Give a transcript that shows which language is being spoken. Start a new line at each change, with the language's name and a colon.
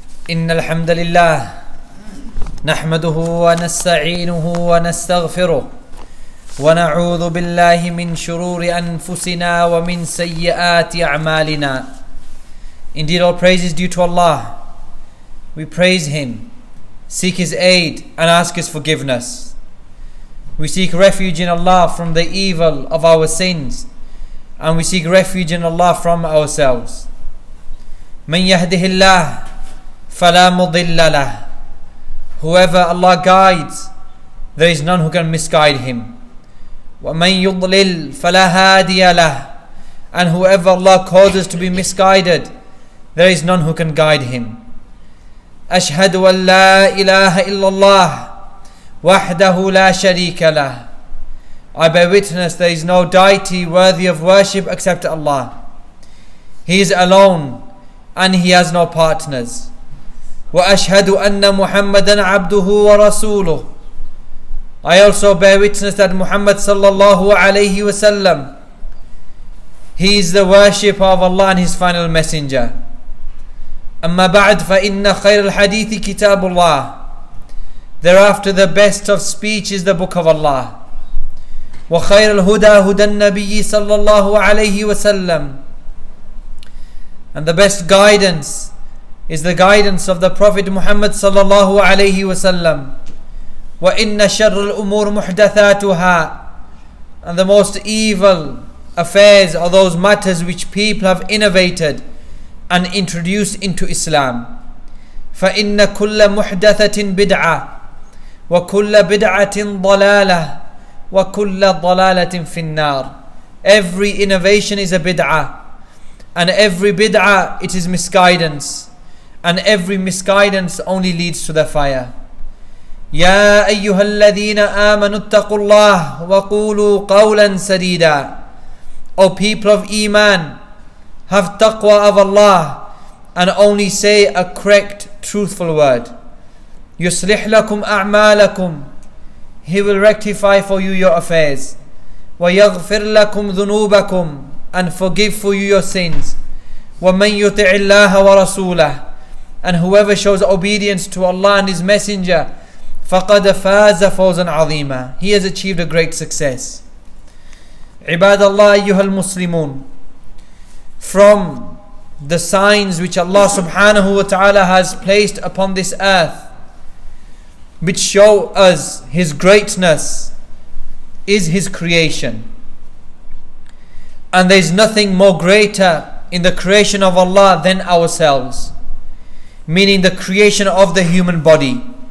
Arabic: إن الحمد لله نحمده ونستعينه ونستغفره ونعوذ بالله من شرور أنفسنا ومن سيئات أعمالنا.
English: Indeed, all praise is due to Allah. We praise Him, seek His aid, and ask His forgiveness. We seek refuge in Allah from the evil of our sins, and we seek refuge in Allah from ourselves.
Arabic: من يهده الله فلا مضل له.
English: Whoever Allah guides, there is none who can misguide him.
Arabic: ومن يضلل فلا هادي له.
English: And whoever Allah causes to be misguided, there is none who can guide him.
Arabic: أشهد أن لا إله إلا الله وحده لا شريك له.
English: I bear witness there is no deity worthy of worship except Allah. He is alone and he has no partners.
Arabic: وأشهد أن محمدا عبده ورسوله.
English: I also bear witness that Muhammad sallallahu alayhi wasallam, he is the worshipper of Allah and his final messenger.
Arabic: أما بعد فإن خير الحديث كتاب الله.
English: Thereafter, the best of speech is the book of Allah.
Arabic: وخير الهدى هدى النبي صلى الله عليه وسلم.
English: And the best guidance is the guidance of the Prophet Muhammad
Arabic: صلى الله عليه وسلم. وإن شر الأمور محدثاتها.
English: And the most evil affairs are those matters which people have innovated and introduced into Islam.
Arabic: فإن كل محدثة بدعة وكل بدعة ضلالة وكل ضلالة في النار.
English: Every innovation is a bid'ah, and every bid'ah it is misguidance, and every misguidance only leads to the fire.
Arabic: يا أيها الذين آمنوا اتقوا الله وقولوا قولا سديدا.
English: O people of Iman, have taqwa of Allah and only say a correct, truthful word.
Arabic: يصلح لكم أعمالكم.
English: He will rectify for you your affairs.
Arabic: ويغفر لكم ذنوبكم,
English: and forgive for you your sins.
Arabic: ومن يطع الله ورسوله,
English: and whoever shows obedience to Allah and His Messenger,
Arabic: فقد فاز فوزا عظيما.
English: He has achieved a great success. عباد الله أيها المسلمون. From the signs which Allah subhanahu wa ta'ala has placed upon this earth, which show us His greatness, is His creation. And there is nothing more greater in the creation of Allah than ourselves, meaning the creation of the human body.